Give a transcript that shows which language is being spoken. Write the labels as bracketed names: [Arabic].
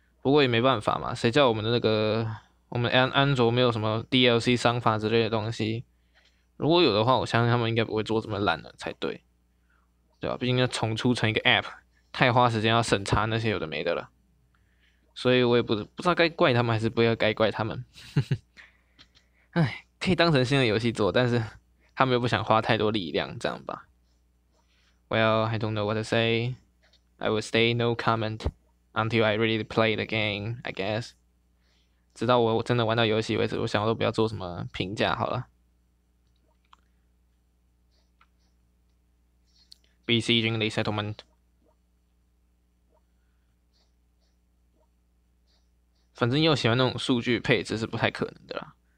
[Chinese] 不过也没办法嘛，谁叫我们的那个，我们安卓没有什么 DLC 商法之类的东西，如果有的话，我相信他们应该不会做这么烂的才对，对吧？毕竟要重出成一个 App，太花时间要审查那些有的没的了，所以我也不知道该怪他们还是不要该怪他们。哎 可以当成新的游戏做，但是他们又不想花太多力量，这样吧。 [English] Well, I don't know what to say. I will stay no comment. Until I really play the game, I guess. [Chinese] 直到我真的玩到游戏为止，我想我都不要做什么评价好了。 BC 军 resettlement，反正又喜欢那种数据配置是不太可能的啦。